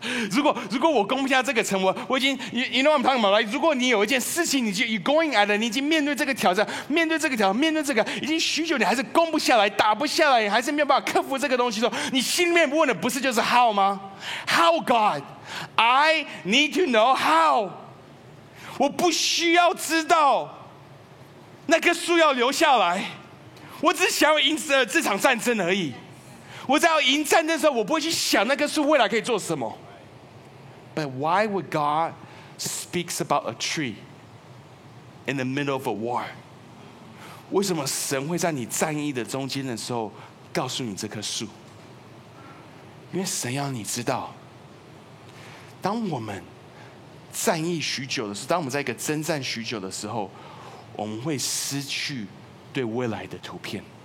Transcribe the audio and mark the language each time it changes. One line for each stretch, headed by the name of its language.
Chinese: 如果我攻不下这个城， 我已经
English: you know what I'm talking about, right?
Chinese: 如果你有一件事情你就
English: you're going at it,
Chinese: 你已经面对这个挑战，面对这个挑战，面对这个已经许久，你还是攻不下来，打不下来，你还是没有办法克服这个东西的时候，你心里面问的不是就是
English: how
Chinese: 吗？
English: How God? I need to know how.
Chinese: 我不需要知道那棵树要留下来，我只想要赢这场战争而已。我在要赢战争的时候，我不会去想那棵树未来可以做什么。
English: But why would God speak about a tree in the middle of a war?
Chinese: 为什么神会在你战役的中间的时候告诉你这棵树？因为神要你知道，当我们战役许久的时候，当我们在一个征战许久的时候，我们会失去对未来的图片。